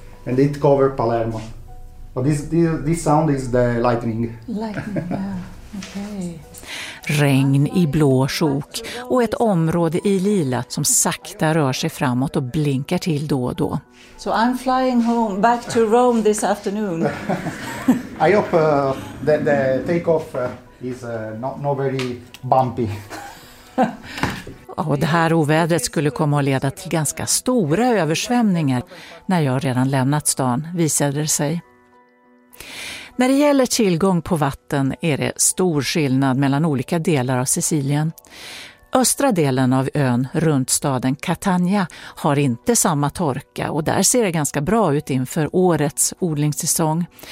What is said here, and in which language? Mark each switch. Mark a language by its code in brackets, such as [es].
[en] And it cover Palermo. But this sound is the lightning. [sv] Regn i blå sjok och ett område i lila som sakta rör sig framåt och blinkar till då och då. [en] So I'm flying home back to Rome this afternoon. I hope the takeoff is not very bumpy. [sv] Och det här ovädret skulle komma att leda till ganska stora översvämningar när jag redan lämnat stan, visade det sig. När det gäller tillgång på vatten är det stor skillnad mellan olika delar av Sicilien. Östra delen av ön runt staden Catania har inte samma torka och där ser det ganska bra ut inför årets odlingssäsong.